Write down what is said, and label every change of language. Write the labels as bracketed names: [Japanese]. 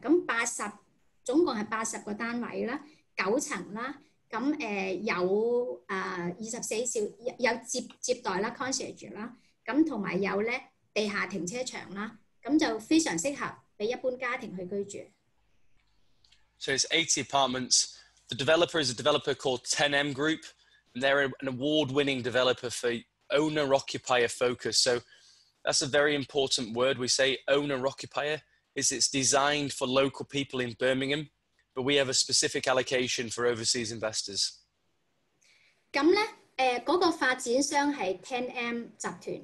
[Cantonese] 咁總共係80個單位啦，9層啦。咁有24小時有接待啦 ，concierge 啦。咁同埋有咧。地下停車場啦，咁就非常適合俾一般家庭去居住。 [English] So it's 80 apartments. The developer is a developer called 10M Group, and they're an award-winning developer for owner-occupier focus. So that's a very important word. We say owner-occupier is it's designed for local people in Birmingham, but we have a specific allocation for overseas investors. [Cantonese] 咁咧，嗰個發展商係 10M 集團。